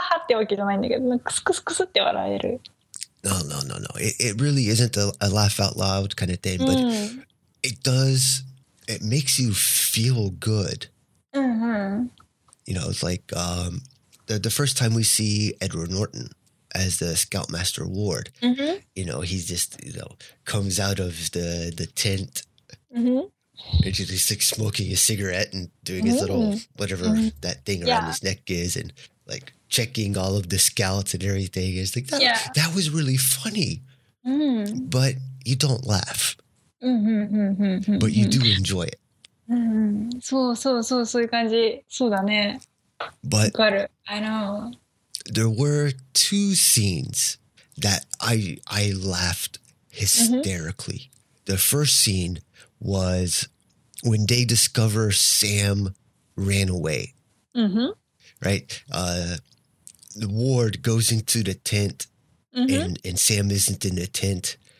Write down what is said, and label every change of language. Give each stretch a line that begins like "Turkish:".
Japanese: ハハハハってわけじゃないんだけど、クスクスクスって笑える.
English: No. It really isn't a laugh out loud kind of thing, but it does... It makes you feel good. Mm-hmm. You know, it's like the first time we see Edward Norton as the Scoutmaster Ward, you know, he's just, you know, comes out of the tent. Mm-hmm. And he's like smoking a cigarette and doing his little whatever that thing around his neck is and like checking all of the scouts and everything. It's like that, that was really funny. But you don't laugh. But you do enjoy it.
Japanese: そうそうそうそういう感じそうだね.
English: But I know there were two scenes that I laughed hysterically. The first scene was when they discover Sam ran away. Right, the Ward goes into the tent, and Sam isn't in the tent.